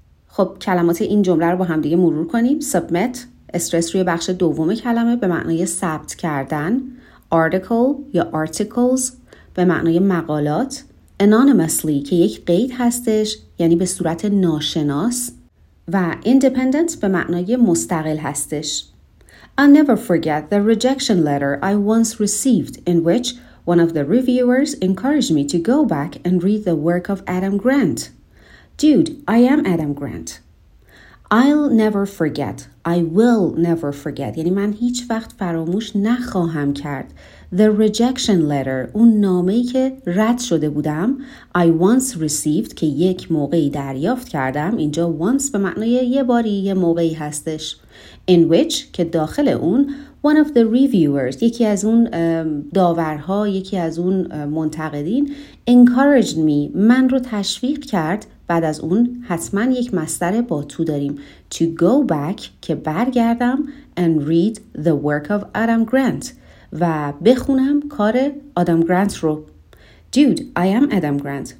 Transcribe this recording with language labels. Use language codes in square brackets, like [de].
[fa] خب کلمات این جمله رو با هم دیگه مرور کنیم. submit، استرس روی بخش دوم کلمه، به معنای ثبت کردن. article یا articles به معنای مقالات. anonymously که یک قید هستش، یعنی به صورت ناشناس. و independent به معنای مستقل هستش. [en] I'll never forget the rejection letter I once received in which one of the reviewers encouraged me to go back and read the work of Adam Grant. Dude, I am Adam Grant. I'll never forget. I will never forget. [fa] یعنی من هیچ وقت فراموش نخواهم کرد. [en] The rejection letter. [fa] اون نامه‌ای که رد شده بودم. [en] I once received [fa] که یک موقعی دریافت کردم. اینجا once به معنی یه باری یه موقعی هستش. [en] In which [fa] که داخل اون [en] one of the reviewers [fa] یکی از اون داورها یکی از اون منتقدین [en] encouraged me [fa] من رو تشویق کرد بعد از اون حتما یک مستر با تو داریم [en] to go back [fa] که برگردم [en] and read the work of Adam Grant [fa] و بخونم کار آدم گرانت رو [en] Dude, I am Adam Grant.